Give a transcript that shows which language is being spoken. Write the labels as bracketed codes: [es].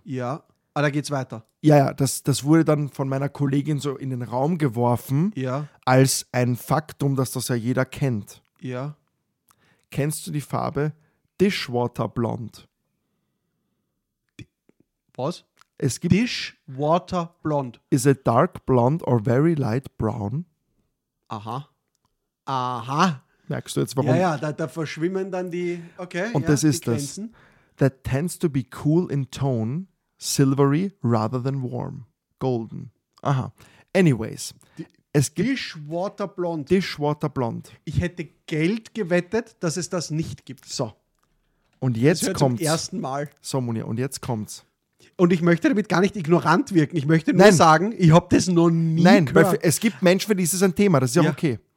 [de] Ja, ah, da geht's weiter. Ja, ja, das wurde dann von meiner Kollegin so in den Raum geworfen. Ja. Als ein Faktum, dass das ja jeder kennt. Ja. Kennst du die Farbe Dishwater Blond? Was? Es gibt Dishwater Blond. [en] Is a dark blonde or very light brown? [de] Aha. Aha. Merkst du jetzt, warum? Ja, ja, da verschwimmen dann die, okay. Und ja, das ist das. [en] That tends to be cool in tone, silvery rather than warm, golden. [de] Aha. Anyways. Dishwater Blond. Dishwater Blond. Ich hätte Geld gewettet, dass es das nicht gibt. So. Und jetzt kommt's. Zum ersten Mal. So, Munja, und jetzt kommt's. Und ich möchte damit gar nicht ignorant wirken. Ich möchte nur sagen, ich habe das noch nie gehört. Nein, es gibt Menschen, für die ist es ein Thema. Das ist ja okay.